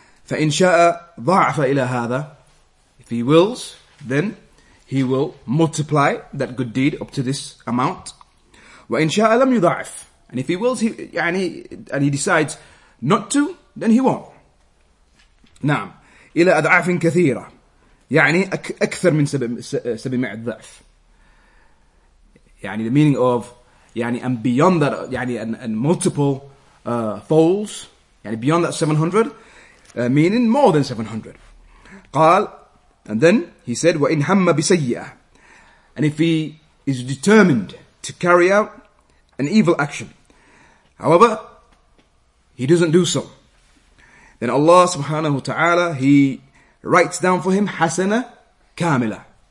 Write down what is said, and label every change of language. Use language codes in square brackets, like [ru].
[ar] فَإِنْ شَاءَ ضَاعَفَ إِلَى هَذَا. [en] If he wills, then he will multiply that good deed up to this amount. [ar] وَإِنْ شَاءَ لَمْ يُضَاعَفْ. [en] And if he wills, he decides not to, then he won't. [ar] نعم. إِلَى أَضْعَافٍ كَثِيرًا. يعني أكثر من سبعمائة ضعف. [en] يعني the meaning of يعني and beyond that يعني and multiple folds يعني beyond that 700 meaning more than 700. قال and then he said [ar] وإن هم بسيئة, [en] and if he is determined to carry out an evil action, however he doesn't do so, then Allah subhanahu wa ta'ala he writes down for him [ar] حسنة كاملة.